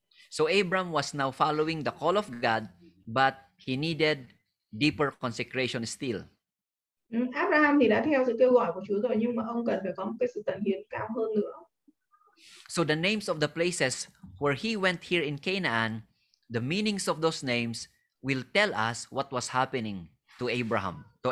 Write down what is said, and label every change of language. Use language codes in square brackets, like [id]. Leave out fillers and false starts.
[en] So Abram was now following the call of God, but he needed deeper consecration still. [vi] Abraham thì đã theo sự kêu gọi của Chúa rồi, nhưng mà ông cần phải có một cái sự tận hiến cao hơn nữa. [en] So the names of the places where he went here in Canaan, the meanings of those names will tell us what was happening to Abram.